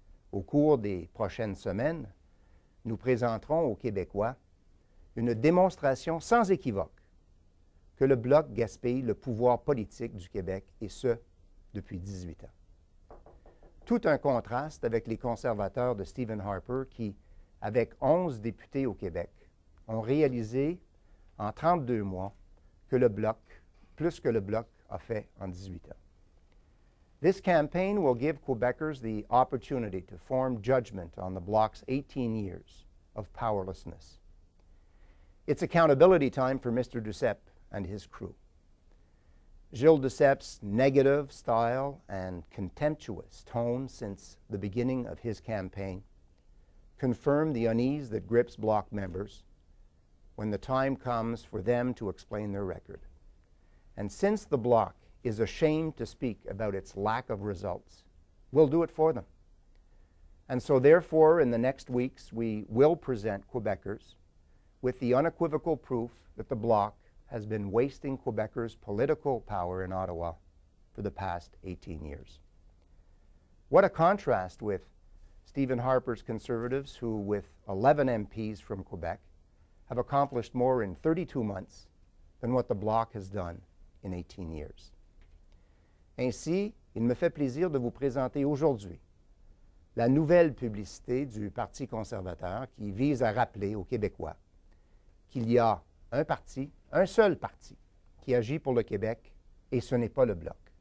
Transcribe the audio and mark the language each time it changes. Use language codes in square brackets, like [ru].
[fr] Au cours des prochaines semaines, nous présenterons aux Québécois une démonstration sans équivoque que le Bloc gaspille le pouvoir politique du Québec, et ce, depuis 18 ans. Tout un contraste avec les conservateurs de Stephen Harper qui, avec 11 députés au Québec, ont réalisé en 32 mois que le Bloc plus que le Bloc a fait en 18 ans. [en] This campaign will give Quebecers the opportunity to form judgment on the Bloc's 18 years of powerlessness. It's accountability time for Mr. Duceppe and his crew. Gilles Duceppe's negative style and contemptuous tone since the beginning of his campaign confirm the unease that grips Bloc members when the time comes for them to explain their record. And since the Bloc is ashamed to speak about its lack of results, we'll do it for them. And so therefore, in the next weeks, we will present Quebecers with the unequivocal proof that the Bloc has been wasting Quebecers' political power in Ottawa for the past 18 years. What a contrast with Stephen Harper's Conservatives, who with 11 MPs from Quebec have accomplished more in 32 months than what the Bloc has done in 18 years. [fr] Ainsi, il me fait plaisir de vous présenter aujourd'hui la nouvelle publicité du Parti conservateur qui vise à rappeler aux Québécois qu'il y a un parti, un seul parti, qui agit pour le Québec et ce n'est pas le Bloc.